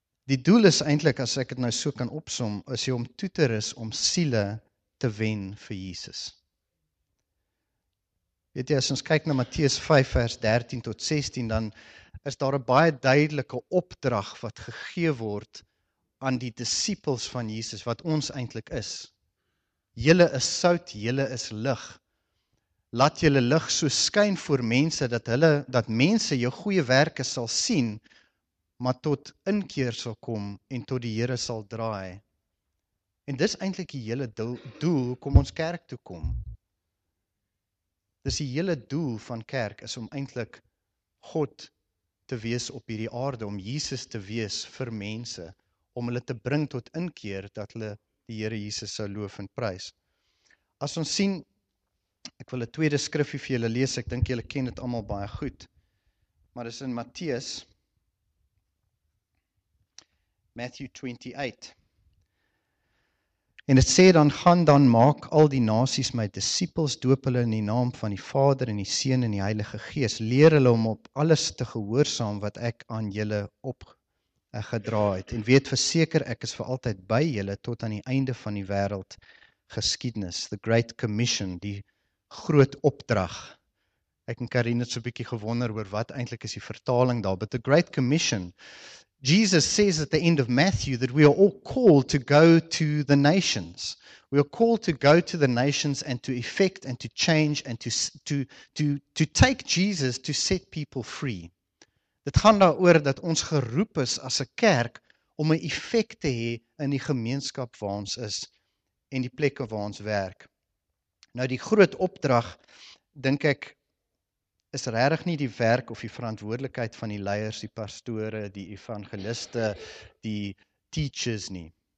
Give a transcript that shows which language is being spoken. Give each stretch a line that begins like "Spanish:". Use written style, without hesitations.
Afrikaans: Die doel is eintlik, as ek dit nou so kan opsom, is jy om toe te rus om siele te wen vir Jesus. Weet jy, as ons kyk na Matteus 5 vers 13 tot 16, dan is daar 'n baie duidelike opdrag wat gegee word aan die disippels van Jesus, wat ons eintlik is. Julle is sout, julle is lig. Laat julle lig so skyn voor mense dat mense jou goeie werke sal sien, maar tot inkeer sal kom en tot die Here sal draai. En dis eintlik die hele doel kom ons kerk toe kom. Dis die hele doel van kerk is om eintlik God te wees op hierdie aarde, om Jesus te wees vir mense, om hulle te bring tot inkeer dat hulle die Here Jesus sou loof en prys. As ons sien, ek wil 'n tweede skrifgie vir julle lees, ek dink julle ken dit almal baie goed. Maar dis in Matteus Matthew 28. En dit sê dan, gaan dan maak al die nasies my disippels, doop hulle in die naam van die Vader en die Seun en die Heilige Gees. Leer hulle om op alles te gehoorsaam wat ek aan julle opgedra het. En weet verseker, ek is vir altyd by julle tot aan die einde van die wêreld geskiedenis. The Great Commission, die groot opdrag. Ek en Karine het so 'n bietjie gewonder oor wat eintlik is die vertaling daar.
English: But the Great Commission, Jesus says at the end of Matthew that we are all called to go to the nations. We are called to go to the nations and to effect and to change and to take Jesus to set people free.
Afrikaans: Dit gaan daaroor dat ons geroep is as 'n kerk om 'n effek te hê in die gemeenskap waar ons is en die plekke waar ons werk. Nou die groot opdrag, dink ek, is regtig nie die werk of die verantwoordelikheid van die leiers, die pastore, die evangeliste, die teachers nie.